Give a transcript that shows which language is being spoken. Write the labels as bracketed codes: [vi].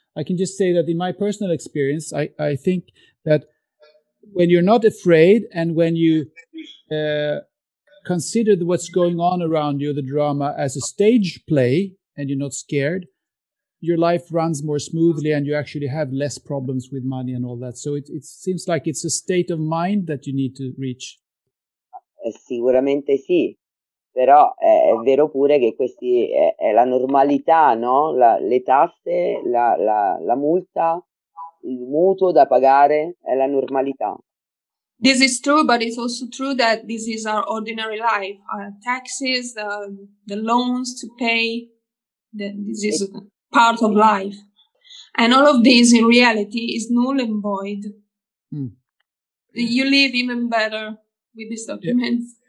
[en] I can just say that in my personal experience, I think that when you're not afraid and when you consider what's going on around you, the drama, as a stage play, and you're not scared, your life runs more smoothly and you actually have less problems with money and all that. So it seems like it's a state of mind that you need to reach. [it] Sicuramente sì. però è vero pure che questi è la normalità, no? Le tasse, la multa, il mutuo da pagare è la normalità. [en] This is true, but it's also true that this is our ordinary life. Our taxes, the loans to pay, this is part of life. And all of this in reality is null and void. Mm. You live even better with these documents.